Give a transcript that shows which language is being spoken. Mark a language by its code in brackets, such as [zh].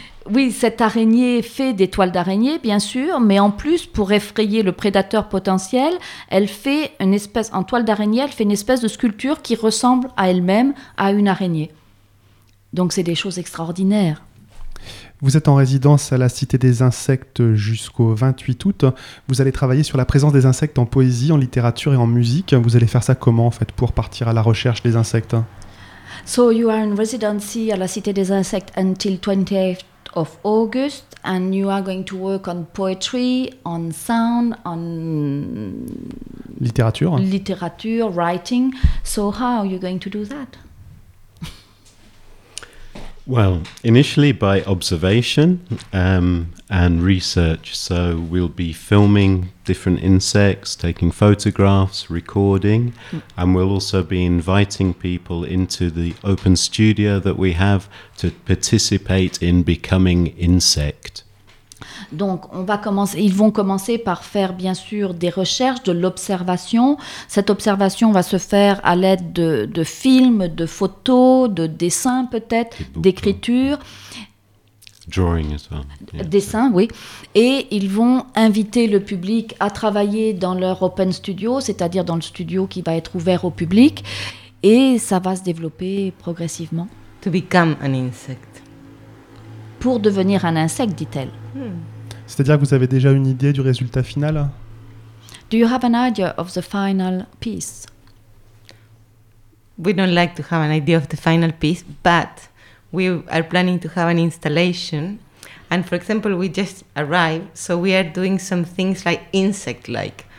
[fr] Oui, cette araignée fait des toiles d'araignée, bien sûr, mais en plus, pour effrayer le prédateur potentiel, elle fait une espèce, en toile d'araignée, elle fait une espèce de sculpture qui ressemble à elle-même à une araignée. Donc, c'est des choses extraordinaires. Vous êtes en résidence à la Cité des Insectes jusqu'au 28 août. Vous allez travailler sur la présence des insectes en poésie, en littérature et en musique. Vous allez faire ça comment, en fait, pour partir à la recherche des insectes? [en] So, you are in residency à la Cité des Insectes until 28 of August, and you are going to work on poetry, on sound, on [fr] littérature. [en] Literature, writing. So how are you going to do that? Well, initially by observation and research. So we'll be filming different insects, taking photographs, recording, and we'll also be inviting people into the open studio that we have to participate in becoming insect. [fr] Donc, on va commencer, ils vont commencer par faire, bien sûr, des recherches, de l'observation. Cette observation va se faire à l'aide de films, de photos, de dessins peut-être, d'écriture. [en] Drawing as well. Yeah. [fr] Dessins, oui. Et ils vont inviter le public à travailler dans leur open studio, c'est-à-dire dans le studio qui va être ouvert au public. Et ça va se développer progressivement. [en] To become an insect. [fr] Pour devenir un insecte, dit-elle. C'est-à-dire que vous avez déjà une idée du résultat final? [en] Do you have an idea of the final piece? We don't like to have an idea of the final piece, but we are planning to have an installation. And for example, we just arrived, so we are doing some things like insect-like.